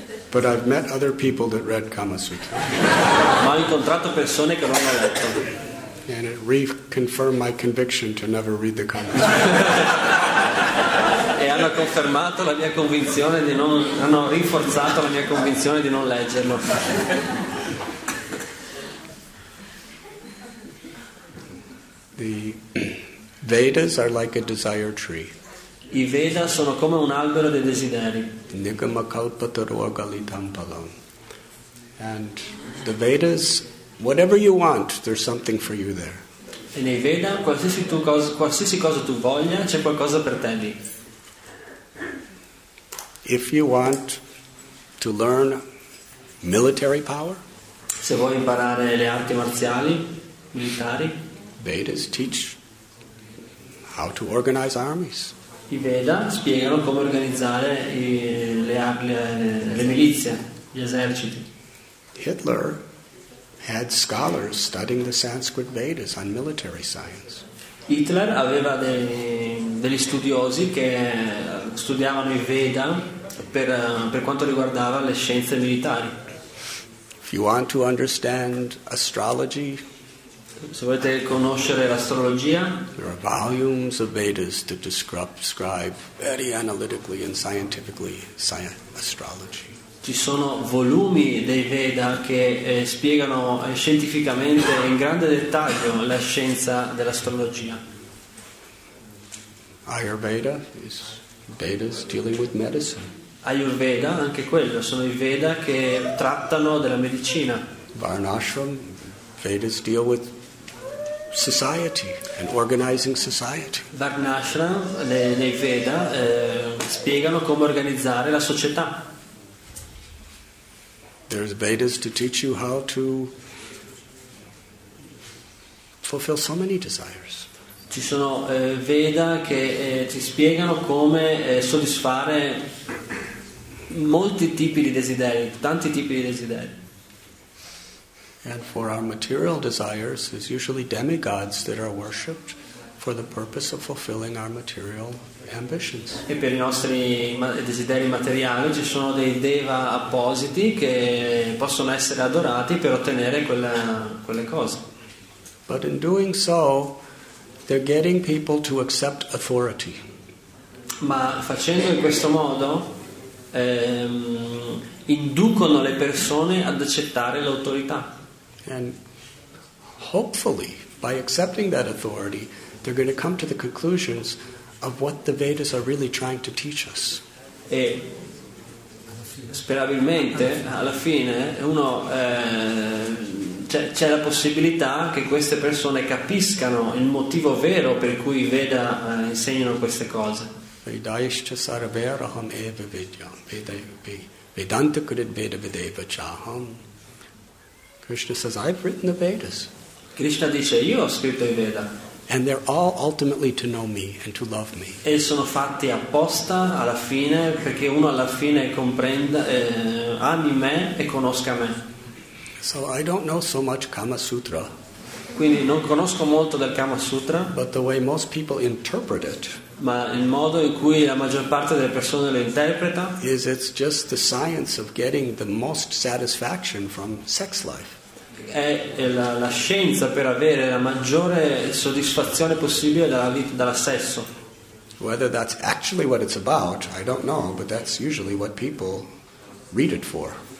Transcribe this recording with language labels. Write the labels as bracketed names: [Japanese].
[English] But I've met other people that read Kama Sutra. [Italian] Ma ho incontrato persone che non l'hanno letto. [English] and it reconfirmed my conviction to never read the Kama Sutra. [Italian] E hanno confermato la mia convinzione di non, hanno rinforzato la mia convinzione di non leggerlo. [English] The Vedas are like a desire tree. [Italian] I Veda sono come un albero dei desideri. [Sanskrit] Nigama kalpa taroa galitam palam. [English] And the Vedas, whatever you want, there's something for you there. [Italian] E nei Veda, qualsiasi cosa tu voglia, c'è qualcosa per te lì. [English] If you want to learn military power, [Italian] se vuoi imparare le arti marziali militari, [English] Vedas teach how to organize armies. [Italian] I Veda spiegano come organizzare le milizie, gli eserciti. [English] Hitler had scholars studying the Sanskrit Vedas on military science. [Italian] Hitler aveva degli studiosi che studiavano i Veda per quanto riguardava le scienze militari. [English] If you want to understand astrology, [Italian] se volete conoscere l'astrologia, [English] there are volumes of Vedas to describe very analytically and scientifically astrology. [Italian] Ci sono volumi dei Veda che spiegano scientificamente in grande dettaglio la scienza dell'astrologia. [English] Ayurveda is Vedas dealing with medicine. [Italian] Ayurveda, anche quello, sono i Veda che trattano della medicina. [English] Varnashram, Vedas deal with society and organizing society. [Italian] Varnashram, nei Veda, spiegano come organizzare la società. [English] There's Vedas to teach you how to fulfill so many desires. [Italian] Ci sono Veda che ti spiegano come soddisfare molti tipi di desideri, tanti tipi di desideri. [English] And for our material desires, it's usually demigods that are worshipped for the purpose of fulfilling our material ambitions. [Italian] E per i nostri desideri materiali ci sono dei deva appositi che possono essere adorati per ottenere quelle cose. [English] But in doing so, they're getting people to accept authority. [Italian] Ma facendo in questo modo, inducono le persone ad accettare l'autorità. [English] And hopefully, by accepting that authority, they're going to come to the conclusions of what the Vedas are really trying to teach us. [Italian] E sperabilmente, alla fine, uno c'è la possibilità che queste persone capiscano il motivo vero per cui i Veda insegnano queste cose. [Sanskrit] Vedaischa sarveraham eva vidyam vedanta kurit veda vedeva chaham. [English] Krishna says, I've written the Vedas. [Italian] Krishna dice, io ho scritto i Veda. [English] And they're all ultimately to know me and to love me. [Italian] E sono fatti apposta alla fine perché uno alla fine comprenda, ami me e conosca me. [English] So I don't know so much Kama Sutra. [Italian] Quindi non conosco molto del Kama Sutra. [English] But the way most people interpret it. [Italian] Ma il modo in cui la maggior parte delle persone lo interpreta [English] is it's just the science of getting the most satisfaction from sex life. [Italian] È la scienza per avere la maggiore soddisfazione possibile dalla sesso. [English] Whether that's actually what it's about, I don't know, but that's usually what people read it for.